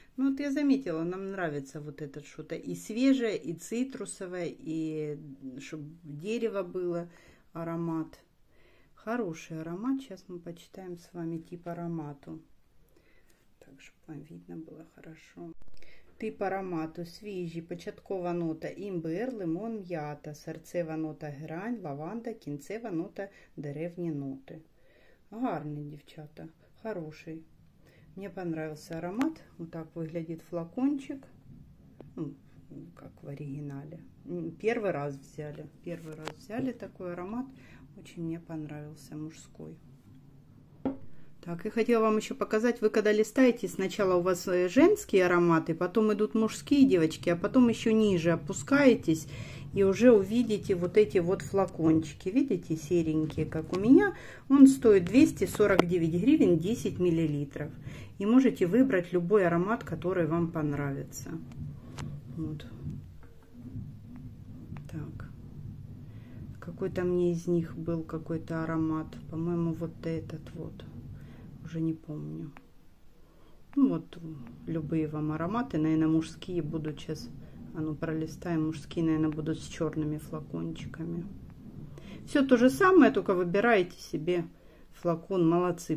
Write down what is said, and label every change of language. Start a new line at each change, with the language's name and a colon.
Russian: Ну вот я заметила, нам нравится вот это что-то и свежее, и цитрусовое, и чтобы дерево было, аромат. Хороший аромат. Сейчас мы почитаем с вами тип аромату. Так, чтобы вам видно было хорошо.
Ukrainian: Тип аромату свіжі, початкова нота імбир, лимон, м'ята, серцева нота герань, лаванда, кінцева нота деревні ноти. Гарний, дівчата, хороший. Мені понравився аромат. Отак виглядає флакончик. Ну, як в оригіналі. Перший раз взяли. Перший раз взяли такий аромат. Дуже мені понравився мужський. Так, і хотіла вам ще показати, ви коли листаєте, спочатку у вас жінські аромати, потім йдуть мужські, дівчатки, а потім ще ніже опускаєтесь і вже побачите ось ці флакончики. Бачите, серенькі, як у мене. Він стоїть 249 гривень 10 мл. І можете вибрати будь-який аромат, який вам подобається.
Russian: Вот. Какой-то мне из них был какой-то аромат. По-моему, вот этот вот. Уже не помню. Ну, вот любые вам ароматы. Наверное, мужские будут сейчас. А ну, пролистаем. Мужские, наверное, будут с черными флакончиками. Все то же самое, только выбираете себе флакон. Молодцы.